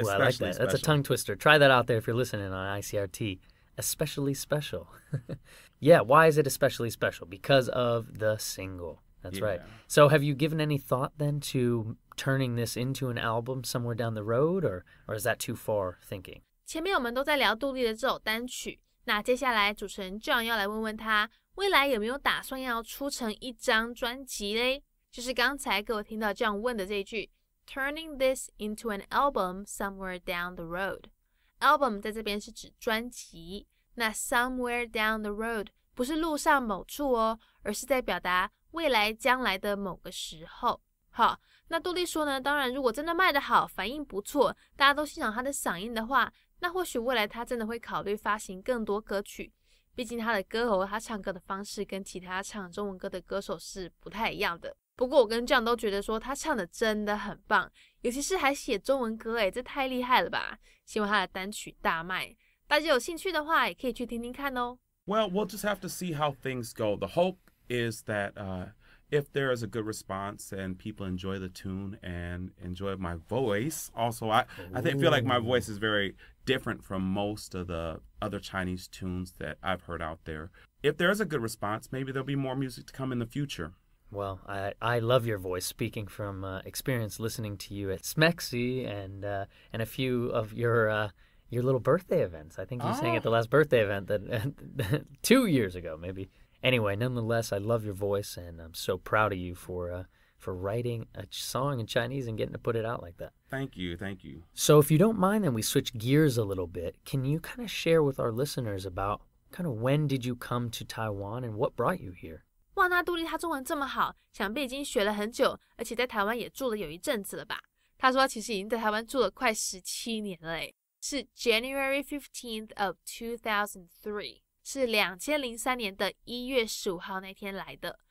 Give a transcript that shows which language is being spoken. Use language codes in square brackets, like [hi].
[en] Ooh, especially I like that. Special. That's a tongue twister. Try that out there if you're listening on ICRT. Especially special. Yeah, why is it especially special? Because of the single. That's right. So have you given any thought then to turning this into an album somewhere down the road? Or is that too far thinking? [zh] 前面我们都在聊杜力的这首单曲。那接下来主持人 John 要来问问他未来有没有打算要出成一张专辑嘞？就是刚才各位听到这样问的这一句 ， [en] turning this into an album somewhere down the road。 [zh] album 在这边是指专辑，那 [en] somewhere down the road [zh] 不是路上某处哦，而是在表达未来将来的某个时候。好，那杜力说呢，当然如果真的卖得好，反应不错，大家都欣赏他的嗓音的话，那或许未来他真的会考虑发行更多歌曲。毕竟他的歌喉，他唱歌的方式跟其他唱中文歌的歌手是不太一样的。不过我跟 John 都觉得说他唱的真的很棒，尤其是还写中文歌，这太厉害了吧！希望他的单曲大卖。大家有兴趣的话，也可以去听听看哦。 [en] Well, we'll just have to see how things go. The hope is that if there is a good response and people enjoy the tune and enjoy my voice, also I feel like my voice is very different from most of the other Chinese tunes that I've heard out there. If there is a good response, maybe there'll be more music to come in the future. Well, I love your voice. Speaking from experience, listening to you at Smexy and a few of your little birthday events. I think you sang at the last birthday event that 2 years ago, maybe. Anyway, nonetheless, I love your voice, and I'm so proud of you for writing a song in Chinese and getting to put it out like that. Thank you. So if you don't mind, then we switch gears a little bit. Can you kind of share with our listeners about kind of when did you come to Taiwan and what brought you here? [zh] 哇，那杜力他中文这么好，想必已经学了很久，而且在台湾也住了有一阵子了吧？他说他其实已经在台湾住了快17年了诶，是 [en] January 15th of 2003， [zh] 是2003年的1月15号那天来的。